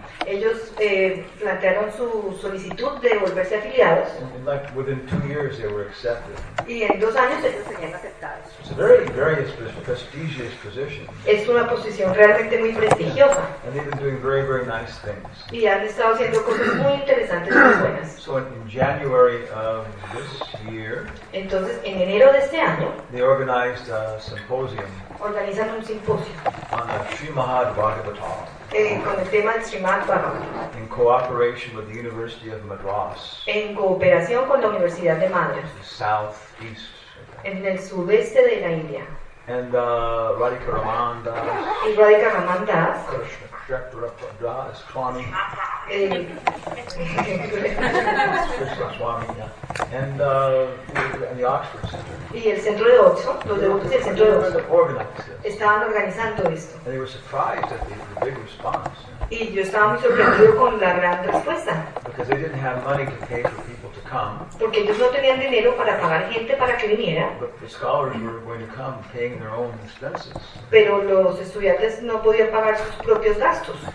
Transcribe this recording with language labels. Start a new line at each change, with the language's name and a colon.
Spanish: Ellos plantearon su solicitud de volverse afiliados.
English: And like within 2 years, they were accepted.
Spanish: Y en dos años ellos serían aceptados.
English: It's a very prestigious position.
Spanish: Es una posición realmente muy prestigiosa. Yeah.
English: And they've been doing very, very nice things.
Spanish: Y han estado haciendo cosas muy interesantes y muy buenas.
English: So in January of this year,
Spanish: entonces en enero de este año,
English: they organized a symposium.
Spanish: Organizan un simposio.
English: On the Srimad Bhagavatam.
Spanish: Con el tema del Srimad Bhagavatam.
English: In cooperation with the University of Madras.
Spanish: En cooperación con la Universidad de Madras.
English: Southeast.
Spanish: En el sudeste de la India.
English: And Radhika Raman Das.
Spanish: Y Radhika Raman Das.
English: Krishna Kshetra Das Swami. Krishna Swami. And the Oxford Center.
Spanish: Y el centro de Oxford, los devotos del centro de Oxford. Estaban organizando esto.
English: And they were surprised at the big response.
Spanish: Y yo estaba muy sorprendido con la gran respuesta.
English: Because they didn't have money to pay for people to come.
Spanish: Porque ellos no tenían dinero para pagar gente para que viniera.
English: But the scholars were going to come paying their own expenses.
Spanish: Pero los estudiantes no podían pagar sus propios gastos.